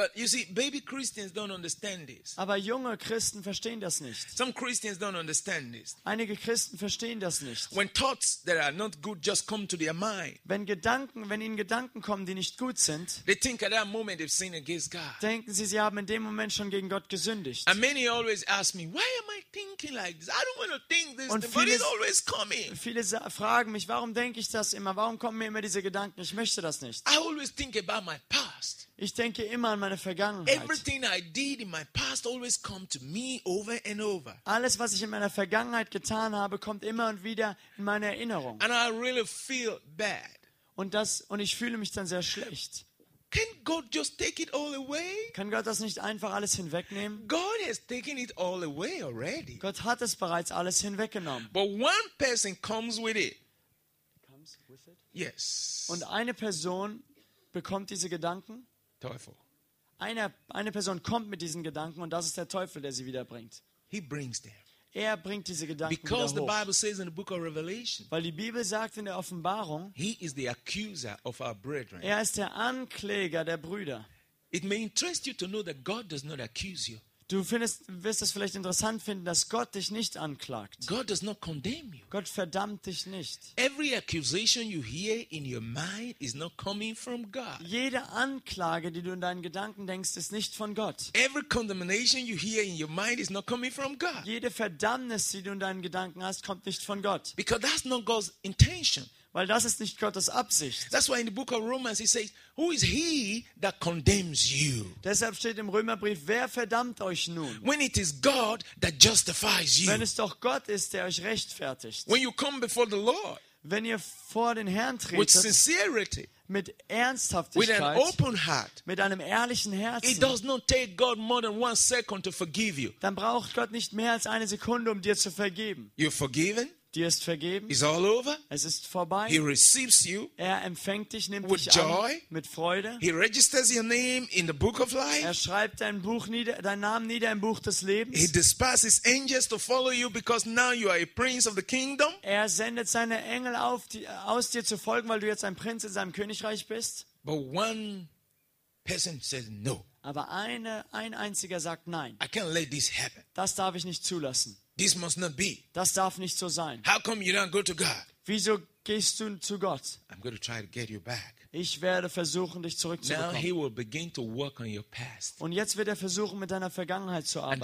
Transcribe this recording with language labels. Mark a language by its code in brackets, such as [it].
[en] But you see, baby Christians don't understand this. [de] Aber junge Christen verstehen das nicht. [en] Some Christians don't understand this. [de] Einige Christen verstehen das nicht. [en] When thoughts that are not good just come to their mind. [de] Wenn ihnen Gedanken kommen, die nicht gut sind, [en] they think at that moment they've sinned against God. [de] Denken sie, sie haben in dem Moment schon gegen Gott gesündigt. [en] And many always ask me, why am I thinking like this? I don't want to think this, [de] und viele, [en] but it's always coming. [de] Viele fragen mich, warum denke ich das immer? Warum kommen mir immer diese Gedanken? Ich möchte das nicht. [en] I always think about my past. [de] Ich denke immer an meine Vergangenheit. [en] Everything I did in my past always come to me over and over. [de] Alles, was ich in meiner Vergangenheit getan habe, kommt immer und wieder in meine Erinnerung. [en] And I really feel bad. [de] Und ich fühle mich dann sehr schlecht. [en] Can God just take it all away? [de] Kann Gott das nicht einfach alles hinwegnehmen? [en] God has taken it all away already. [de] Gott hat es bereits alles hinweggenommen. [en] But one person comes with it. Yes. [de] Und eine Person bekommt diese Gedanken. Teufel. Eine Person kommt mit diesen Gedanken und das ist der Teufel, der sie wiederbringt. [en] He brings them. [de] Er bringt diese Gedanken [en] because [de] wieder [en] the [de] hoch. [en] Bible says in the book of Revelation, [de] weil die Bibel sagt in der Offenbarung, [en] he is the accuser of our brethren. [de] Er ist der Ankläger der Brüder. [en] It may interest you to know that God does not accuse you. [de] Du wirst es vielleicht interessant finden, dass Gott dich nicht anklagt. [en] God does not condemn you. [de] Gott verdammt dich nicht. [en] Every accusation you hear in your mind is not coming from God. [de] Jede Anklage, die du in deinen Gedanken denkst, ist nicht von Gott. [en] Every condemnation you hear in your mind is not coming from God. [de] Jede Verdammnis, die du in deinen Gedanken hast, kommt nicht von Gott. [en] Because that's not God's intention. [de] Weil das ist nicht Gottes Absicht. [en] That's why in the book of Romans he says, who is he that condemns you? [de] Deshalb steht im Römerbrief, wer verdammt euch nun? [en] When it is God that justifies you. [de] Wenn es doch Gott ist, der euch rechtfertigt. [en] When you come before the Lord. [de] Wenn ihr vor den Herrn tretet. [en] With sincerity. [de] Mit Ernsthaftigkeit, [en] with an open heart, [de] mit einem ehrlichen Herzen, [en] it does not take God more than 1 second to forgive you. [de] Dann braucht Gott nicht mehr als eine Sekunde, um dir zu vergeben. [en] You're forgiven. [de] Dir ist vergeben. [en] It's all over. [de] Es ist vorbei. [en] He receives you. [de] Er empfängt dich, nimmt [en] with [de] dich [en] joy. [de] An. Mit Freude. [en] He registers your name in the book of life. [de] Er schreibt dein Namen nieder im Buch des Lebens. [en] He dispatches angels to follow you because now you are a prince of the kingdom. [de] Er sendet seine Engel auf, aus dir zu folgen, weil du jetzt ein Prinz in seinem Königreich bist. [en] But one person says no. [de] Aber ein einziger sagt nein. [en] I can't let this happen. [de] Das darf ich nicht zulassen. [en] This must not be. [de] Das darf nicht so sein. [en] How come you don't go to God? [de] Wieso gehst du zu Gott? [en] I'm going to try to get you back. [de] Ich werde versuchen, dich zurückzubekommen. [en] Now he will begin to work on your past. [de] Und jetzt wird er versuchen, mit deiner Vergangenheit zu arbeiten.